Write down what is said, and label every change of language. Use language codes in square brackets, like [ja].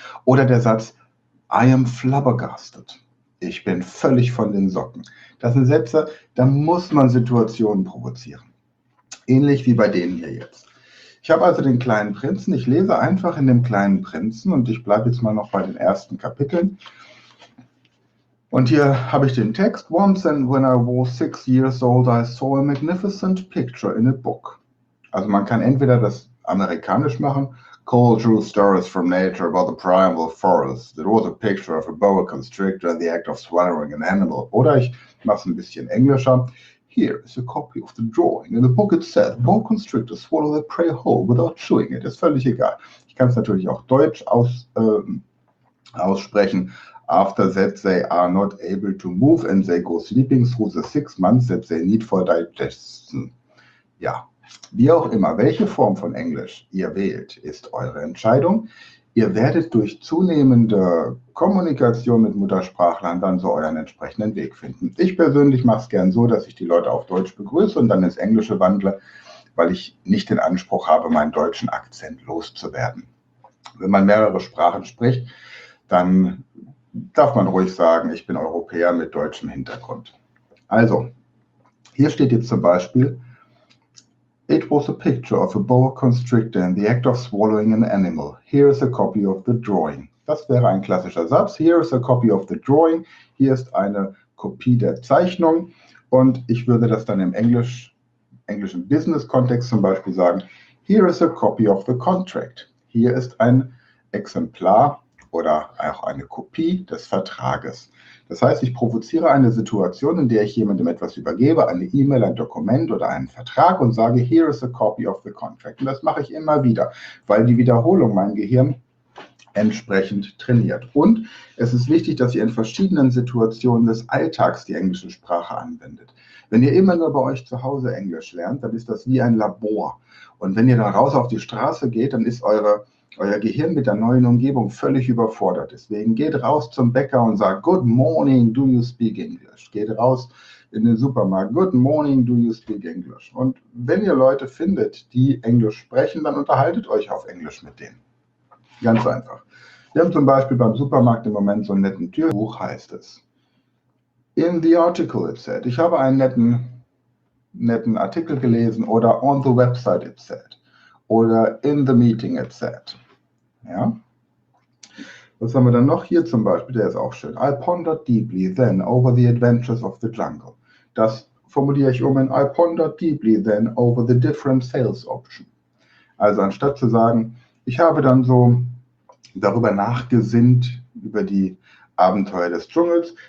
[de] Oder der Satz, [en] I am flabbergasted. [de] Ich bin völlig von den Socken. Das sind Sätze, da muss man Situationen provozieren. Ähnlich wie bei denen hier jetzt. Ich habe also den kleinen Prinzen. Ich lese einfach in dem kleinen Prinzen und ich bleibe jetzt mal noch bei den ersten Kapiteln. Und hier habe ich den Text. [en] Once and when I was 6 years old, I saw a magnificent picture in a book. [de] Also man kann entweder das amerikanisch machen. [en] Cold true stories from nature about the primal forest. It was a picture of a boa constrictor and the act of swallowing an animal. [de] Oder ich mache es ein bisschen englischer. [en] Here is a copy of the drawing. In the book it said, boa constrictor swallow the prey whole without chewing it. [de] Ist völlig egal. Ich kann es natürlich auch deutsch aussprechen. [en] After that, they are not able to move and they go sleeping through the 6 months that they need for digestion. [de] Ja, wie auch immer, welche Form von Englisch ihr wählt, ist eure Entscheidung. Ihr werdet durch zunehmende Kommunikation mit Muttersprachlern dann so euren entsprechenden Weg finden. Ich persönlich mache es gern so, dass ich die Leute auf Deutsch begrüße und dann ins Englische wandle, weil ich nicht den Anspruch habe, meinen deutschen Akzent loszuwerden. Wenn man mehrere Sprachen spricht, dann darf man ruhig sagen, ich bin Europäer mit deutschem Hintergrund. Also, hier steht jetzt zum Beispiel, [en] It was a picture of a boa constrictor in the act of swallowing an animal. Here is a copy of the drawing. [de] Das wäre ein klassischer Satz. [en] Here is a copy of the drawing. [de] Hier ist eine Kopie der Zeichnung. Und ich würde das dann im englischen Business-Kontext zum Beispiel sagen. [en] Here is a copy of the contract. [de] Hier ist ein Exemplar oder auch eine Kopie des Vertrages. Das heißt, ich provoziere eine Situation, in der ich jemandem etwas übergebe, eine E-Mail, ein Dokument oder einen Vertrag und sage, [en] here is a copy of the contract. [de] Und das mache ich immer wieder, weil die Wiederholung mein Gehirn entsprechend trainiert. Und es ist wichtig, dass ihr in verschiedenen Situationen des Alltags die englische Sprache anwendet. Wenn ihr immer nur bei euch zu Hause Englisch lernt, dann ist das wie ein Labor. Und wenn ihr dann raus auf die Straße geht, dann ist euer Gehirn mit der neuen Umgebung völlig überfordert. Deswegen geht raus zum Bäcker und sagt, [en] good morning, do you speak English? [de] Geht raus in den Supermarkt, [en] good morning, do you speak English? [de] Und wenn ihr Leute findet, die Englisch sprechen, dann unterhaltet euch auf Englisch mit denen. Ganz einfach. Wir haben zum Beispiel beim Supermarkt im Moment so einen netten Türbuch, heißt es. [en] In the article it said. [de] Ich habe einen netten Artikel gelesen oder [en] on the website it said. [de] Oder [en] in the meeting it said. [de] Ja? Was haben wir dann noch hier zum Beispiel? Der ist auch schön. [en] I pondered deeply then over the adventures of the jungle. [de] Das formuliere ich um in [en] I pondered deeply then over the different sales option. [de] Also anstatt zu sagen, ich habe dann so darüber nachgesinnt, über die Abenteuer des Dschungels.